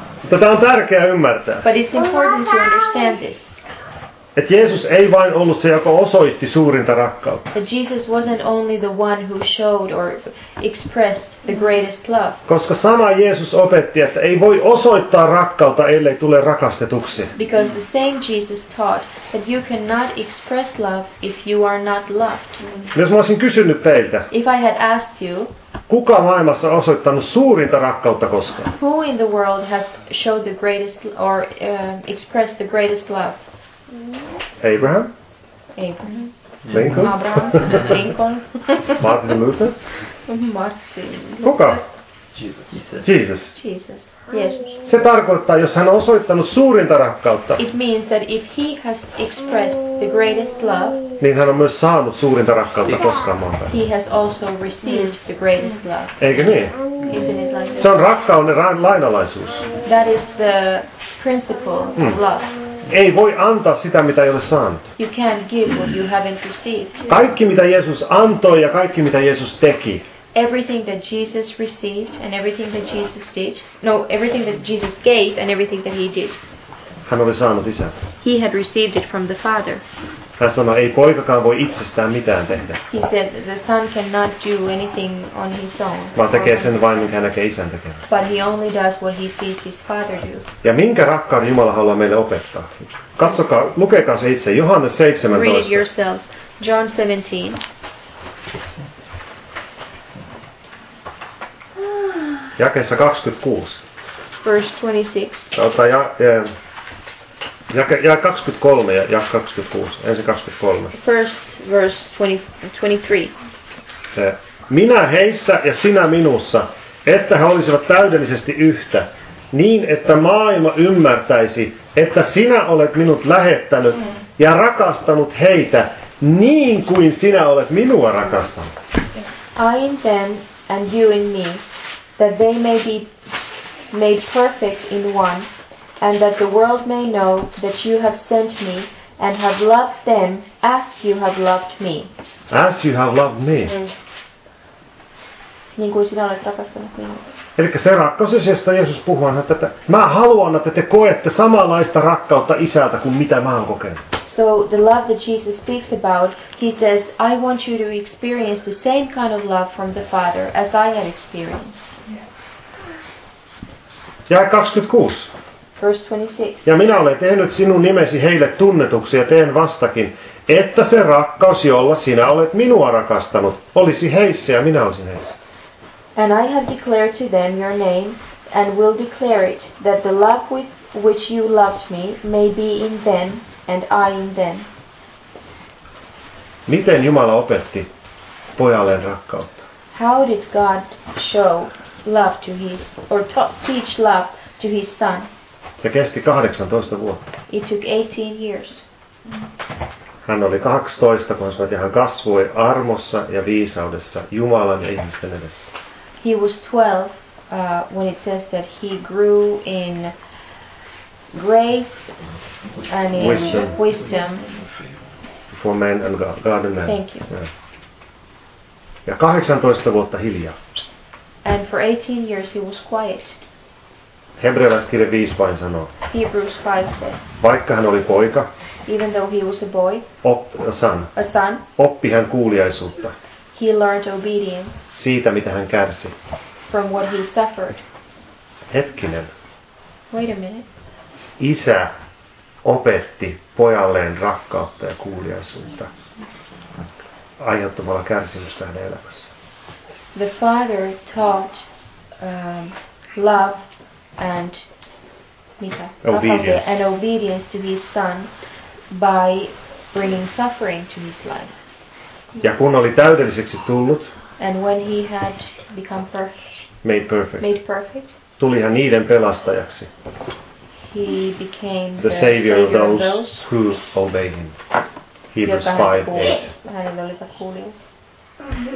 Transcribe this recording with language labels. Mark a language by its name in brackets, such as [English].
[Finnish] Tätä on tärkeää ymmärtää. [English] But it's important to understand this. [Finnish] Että Jeesus ei vain ollut se, joka osoitti suurinta rakkautta. [English] That Jesus wasn't only the one who showed or expressed the greatest love. [Finnish] Koska sama Jeesus opetti, että ei voi osoittaa rakkautta, ellei tule rakastetuksi. [English] Because the same Jesus taught that you cannot express love if you are not loved. [Finnish] Jos mä olisin kysynyt teiltä. [English] If I had asked you. [Finnish] Kuka maailmassa on osoittanut suurinta rakkautta koskaan? [English] Who in the world has showed the greatest or expressed the greatest love? Abraham? Abraham. Lincoln? Abraham. Lincoln. Martin Luther? Martin. [Finnish] Kuka? [English] Jesus. Jesus. Jesus. [Finnish] Se tarkoittaa, jos hän on osoittanut suurinta rakkautta. [English] It means that if he has expressed the greatest love. [Finnish] Niin hän on myös saanut suurinta rakkautta koskaan maailmassa. [English] He has also received the greatest love. [Finnish] Eikö niin? [English] Like [Finnish] se on rakkauden lainalaisuus. [English] That is the principle of love. [Finnish] Ei voi antaa sitä, mitä ei ole saanut. [English] You can't give what you haven't received. [Finnish] Kaikki, mitä Jeesus antoi ja kaikki, mitä Jeesus teki. [English] Everything that Jesus received and everything that Jesus did. No, everything that Jesus gave and everything that he did. [Finnish] Hän oli saanut isältä. [English] He had received it from the Father. [Finnish] Hän sanoi, ei poikakaan voi itsestään mitään tehdä. [English] He said the son cannot do anything on his own. [Finnish] Vaan tekee sen vain, minkä hän näkee isän tekevän. [English] But he only does what he sees his father do. [Finnish] Ja minkä rakkauden Jumala haluaa meille opettaa? Katsokaa, lukekaa se itse, Johannes 17. [English] Read it yourselves. John 17. [Finnish] Jakeessa 26. [English] Verse [Finnish] 26. Ja 23 ja 26. Ensin 23. [English] First verse 23. [Finnish] Minä heissä ja sinä minussa, että he olisivat täydellisesti yhtä, niin että maailma ymmärtäisi, että sinä olet minut lähettänyt ja rakastanut heitä niin kuin sinä olet minua rakastanut. [English] I in them and you in me, that they may be made perfect in one, and that the world may know that you have sent me and have loved them as you have loved me. As you have loved me. [Finnish] Niin kuin sinä olet rakastanut minua. Elikkä se rakkaus, josta Jeesus puhuu, on, että mä haluan, että te koette samanlaista rakkautta isältä kuin mitä mä oon kokenut. [English] So the love that Jesus speaks about, he says, I want you to experience the same kind of love from the Father as I had experienced. [Finnish] Ja 26. [English] Verse 26. [Finnish] Ja minä olen tehnyt sinun nimesi heille tunnetuksi ja teen vastakin, että se rakkaus, jolla sinä olet minua rakastanut, olisi heissä ja minä olisin heissä. [English] And I have declared to them your name and will declare it, that the love with which you loved me may be in them and I in them. [Finnish] Miten Jumala opetti pojalleen rakkautta? [English] How did God show love to his or teach love to his son? [Finnish] Se kesti 18 vuotta. [English] It took 18 years. [Finnish] Hän oli 12, kun hän kasvoi armossa ja viisaudessa Jumalan ja ihmisten edessä. [English] He was 12 when it says that he grew in grace and in wisdom before man and God and man. Thank you. [Finnish] Yeah. Ja 18 vuotta hiljaa. [English] And for 18 years he was quiet. [Finnish] Hebrealaiskirja 5 vain sanoo. [English] Hebrews 5 says. [Finnish] Vaikka hän oli poika. [English] Even though he was a boy. A son. [Finnish] Oppi hän kuuliaisuutta. [English] He learned obedience. [Finnish] Siitä mitä hän kärsi. [English] From what he suffered. [Finnish] Hetkinen. [English] Wait a minute. [Finnish] Isä opetti pojalleen rakkautta ja kuuliaisuutta aiheuttamalla kärsimystä hänen elämässä. [English] The father taught love and obedience to his son by bringing suffering to his life. [Finnish] Ja kun oli täydelliseksi tullut, [English] and when he had become perfect, made perfect, [Finnish] tuli hän niiden pelastajaksi. [English] He became the savior of those who obey him. Hebrews 5:8.